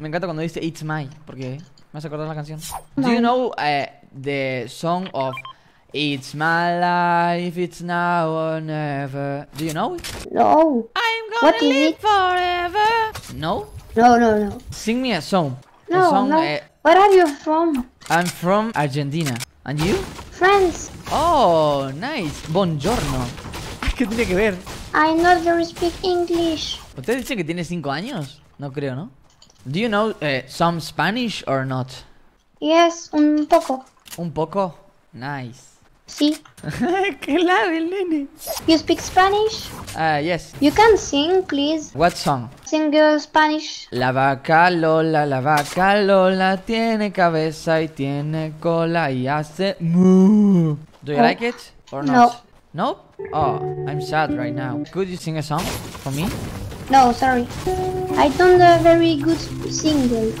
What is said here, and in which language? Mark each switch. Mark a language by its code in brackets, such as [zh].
[es] Me encanta cuando dice [en] it's my, [es] porque me has acordado la canción. [en] No. Do you know the song of It's my life, it's now or never? Do you know it? No. I'm gonna what live it? Forever. No? No, no, no. Sing me a song. No, a song, no. Where are you from? I'm from Argentina. And you? France. Oh, nice. Buongiorno. [es] ¿Qué tiene que ver? [en] I know you speak English. [es] ¿Usted dice que tiene 5 años? No creo, ¿no? [en] Do you know some Spanish or not? Yes, [es] un poco. ¿Un poco? [en] Nice. [es] Sí. ¡Qué lado, el nene! [en] You speak Spanish? Yes. You can sing, please. What song? Sing your Spanish. [es] La vaca Lola tiene cabeza y tiene cola y hace mu. [en] Do you like it or not? No. No? Oh, I'm sad right now. Could you sing a song for me? No, sorry. I don't a very good singing.